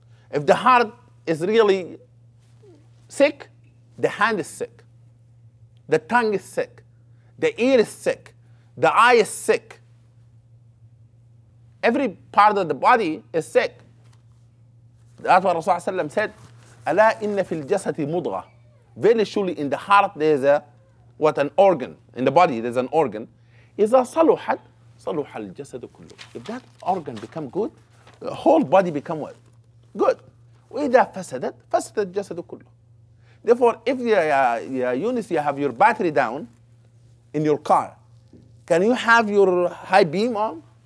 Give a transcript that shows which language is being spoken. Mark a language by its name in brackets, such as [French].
[English] If the heart is really sick, the hand is sick. The tongue is sick. The ear is sick. The eye is sick. Every part of the body is sick. That's what Rasulullah said, [Arabic] أَلَا إِنَّ فِي الْجَسَدِ مُضْغَةٌ [English] very surely in the heart there's a, what an organ, in the body there's an organ. [Arabic] إِذَا صَلُحَ صَلُحَ الْجَسَدُ كُلُّهُ. [English] If that organ become good, the whole body become what? Good. [Arabic] وَإِذَا فَسَدَتْ فَسَدَ الْجَسَدُ كُلُّهُ. [English] Therefore, if you have your battery down in your car, can you have your high beam on?